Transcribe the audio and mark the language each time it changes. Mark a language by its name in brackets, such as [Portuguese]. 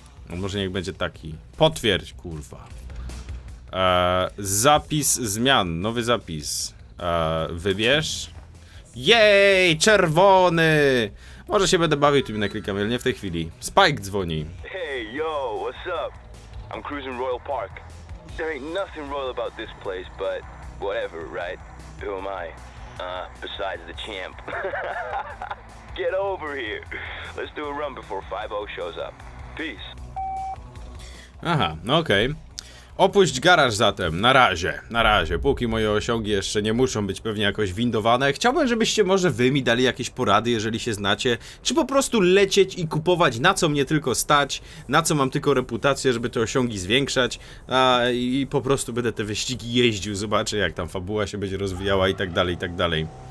[Polish] No może niech będzie taki. Potwierdź, kurwa. Zapis zmian. Nowy zapis. Wybierz. Jej, czerwony! Może się będę bawił tu mi naklikam, ale nie w tej chwili. Spike dzwoni. [English] Hey, yo, what's up? I'm cruising Royal Park. There ain't nothing royal about this place, but whatever, right? Who am I? Besides the champ. Get over here. Let's do a run before 5-0 shows up. Peace. [Polish] Aha, no okej. Opuść garaż zatem, na razie, póki moje osiągi jeszcze nie muszą być pewnie jakoś windowane. Chciałbym, żebyście może wy mi dali jakieś porady, jeżeli się znacie, czy po prostu lecieć i kupować, na co mnie tylko stać, na co mam tylko reputację, żeby te osiągi zwiększać, i po prostu będę te wyścigi jeździł, zobaczę jak tam fabuła się będzie rozwijała i tak dalej.